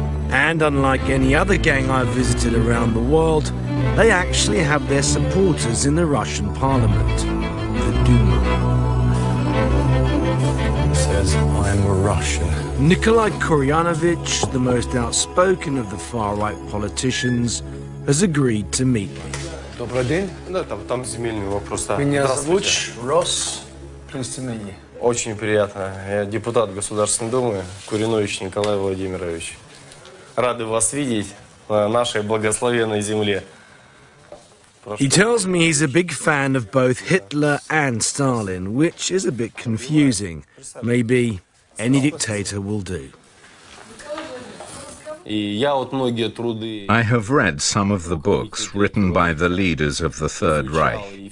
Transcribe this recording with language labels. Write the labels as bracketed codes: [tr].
[en] And unlike any other gang I've visited around the world, they actually have their supporters in the Russian parliament, the Duma. I'm a Russian. Nikolai Kurianovich, the most outspoken of the far-right politicians, has agreed to meet me. [ru] Добрый день. Да, там земельный вопрос. Меня зовут Рос Пристинный. Очень приятно. Я депутат Государственной Думы, Куринович Николай Владимирович. Рады вас видеть на нашей благословенной земле. [en] He tells me he's a big fan of both Hitler and Stalin, which is a bit confusing. Maybe any dictator will do. I have read some of the books written by the leaders of the Third Reich.